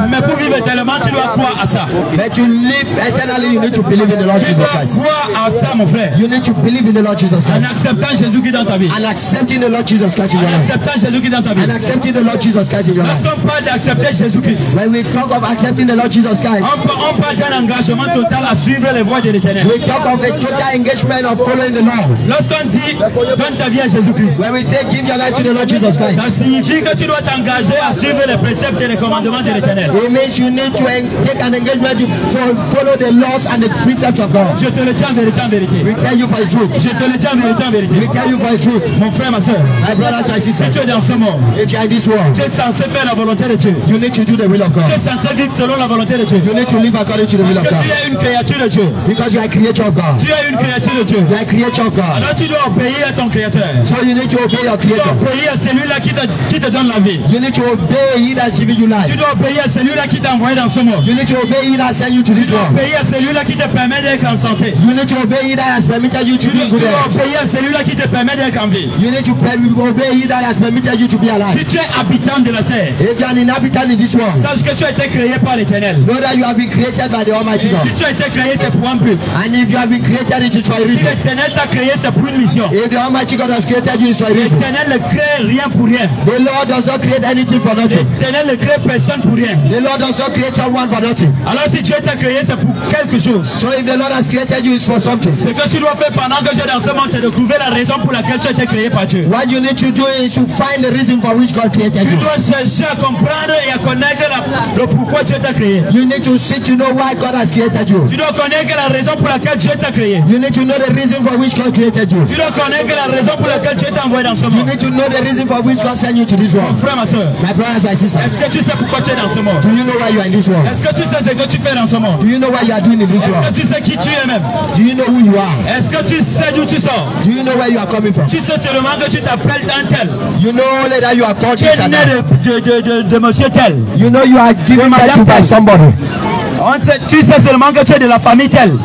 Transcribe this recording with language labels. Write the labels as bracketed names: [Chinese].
[French] Mais pour vivre éternellement, tu dois croire à ça. [English] But to live eternally, you need to believe in the Lord Jesus Christ. [French] Tu dois croire à ça, mon frère. [English] You need to believe receiving the Lord Jesus Christ. [French] En acceptant Jésus qui est dans ta vie. [English] And accepting the Lord Jesus Christ in your life. [French] En acceptant Jésus qui est dans ta vie. [English] And accepting the Lord Jesus Christ in your life. [French] On parle d'accepter Jésus Christ. [English] When we talk of accepting the Lord Jesus Christ. [French] On parle d'un engagement total à suivre les voies de l'Éternel. [English] We talk of a total engagement of following the Lord. [French] Lorsqu'on dit donne ta vie à Jésus Christ. [English] When we say give your life to the Lord Jesus Christ. [French] Ça signifie que tu dois t'engager à suivre les préceptes et les commandements de l'Éternel. [English] It means you need to take an engagement to follow the laws and the precepts of God. [French] Je te le tiens vérité en vérité. [English] We tell you for the truth. [French] Je te le tiens vérité en vérité. [English] We tell you for the truth. [French] Mon frère, ma soeur. [English] My brothers, my sisters. [French] Si tu es dans ce monde. [English] If you are in this world. [French] Tu es censé faire la volonté de Dieu. [English] You need to do the will of God. [French] Tu es censé vivre selon la volonté de Dieu. [English] You need to live according to the will of God. [French] Parce que tu es une créature de Dieu. [English] Because you are a creature of God. [French] Tu es une créature de Dieu. [English] You are a creature of God. [French] Alors tu dois obéir à ton créateur. [English] So you need to obey your creator. [French] Tu dois obéir à celui-là qui te donne la vie. [English] You need to obey He that gives you life. [French] Tu dois obéir à celui-là qui t'a envoyé dans ce monde. [English] You need to obey He that sent you to this world. [French] Tu dois obéir à celui-là qui te permet d'être en santé. [English] You need to obey He that has permitted you to be good. [French] Tu dois obéir à celui-là qui te permet d'être en vie. [English] You need to obey He that has permitted you to be alive. [French] Si tu es habitant de la terre. [English] If you are an inhabitant in this world. [French] Sache que tu as été créé par l'Éternel. [English] Know that you have been created by the Almighty God. [French] Si tu as été créé, c'est pour un but. [English] And if you have been created, it is for a reason. [French] Si l'Éternel t'a créé, c'est pour une mission. [English] If the Almighty God has created you, it is for a reason. [French] L'Éternel ne crée rien pour rien. [English] The Lord does not create anything for nothing. [French] L'Éternel ne crée personne pour rien. [English] The Lord does not create someone for nothing. [French] Alors si Dieu t'a créé, c'est pour quelque chose. [English] So if the Lord has created you, it's for something. [French] Ce que tu dois faire pendant que tu es dans ce monde, c'est de trouver la raison pour laquelle tu as été créé par Dieu. [English] What you need to do is to find the reason for which God created [French] tu Tu dois chercher à comprendre et à connaître le pourquoi Dieu t'a créé. [English] You need to see to know why God has created you. [French] Tu dois connaître la raison pour laquelle Dieu t'a créé. [English] You need to know the reason for which God created you. [French] Tu dois connaître la raison pour laquelle Dieu t'a envoyé dans ce monde. [English] You need to know the reason for which God sent you to this world. [French] Mon frère, ma soeur. [English] My brothers, my sisters. [French] Est-ce que tu sais pourquoi tu es dans ce monde? [English] Do you know why you are in this world? [French] Est-ce que tu sais ce que tu fais dans ce monde? [English] Do you know what you are doing in this world? [French] Est-ce que tu sais qui tu es même? [English] Do you know who you are? [French] Est-ce que tu sais d'où tu sors? [English] Do you know where you are coming from? [French] Tu sais seulement que tu t'appelles un tel. [English] You know only that you are called [French] Jesus. Tu es né de monsieur tel. [English] You know you are given birth to by somebody. [French] Tu sais seulement que tu es de la famille telle.